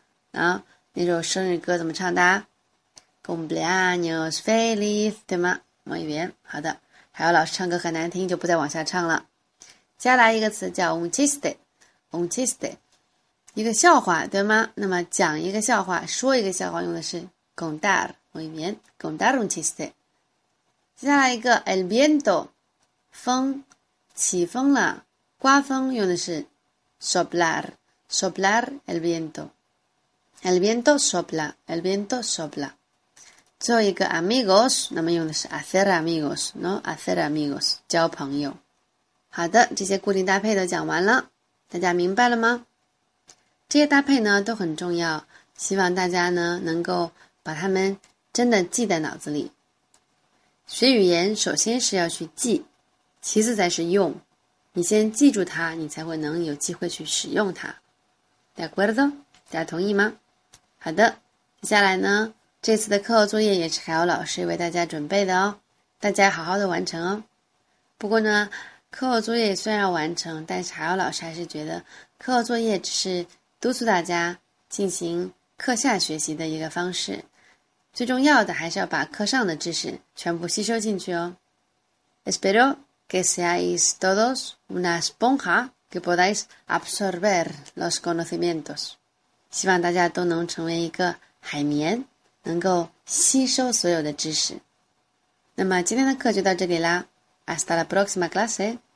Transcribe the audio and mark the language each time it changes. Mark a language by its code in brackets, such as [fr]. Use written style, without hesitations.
[zh] 然后那首生日歌怎么唱的？ [es] cumpleaños feliz， [zh] 对吗？某一边，好的，还有老师唱歌很难听，就不再往下唱了。接下来一个词叫 [es] un chiste， [zh] 一个笑话，对吗？那么讲一个笑话，说一个笑话用的是 contar，我一念 [es] contar un chiste。 [zh] 接下来一个 el viento，风，起风了，刮风用的是 [es] soplar el viento，el viento sopla， [zh] el viento sopla。最后一个 amigos，那么用的是 [es] hacer amigos，no，hacer amigos [zh] 交朋友。好的，这些固定搭配都讲完了，大家明白了吗？这些搭配呢都很重要，希望大家呢能够把它们真的记在脑子里。学语言首先是要去记，其次才是用。你先记住它，你才会能有机会去使用它。 [es] De acuerdo？ [zh] 大家同意吗？好的，接下来呢，这次的课后作业也是海鸥老师为大家准备的哦，大家好好的完成哦。不过呢，课后作业虽然要完成，但是海鸥老师还是觉得课后作业只是督促大家进行课下学习的一个方式，最重要的还是要把课上的知识全部吸收进去哦。 [es] Espero que seáis todos una esponja que podáis absorber los conocimientos。 [zh] 希望大家都能成为一个海绵，能够吸收所有的知识。那么今天的课就到这里啦， [es] Hasta la próxima clase。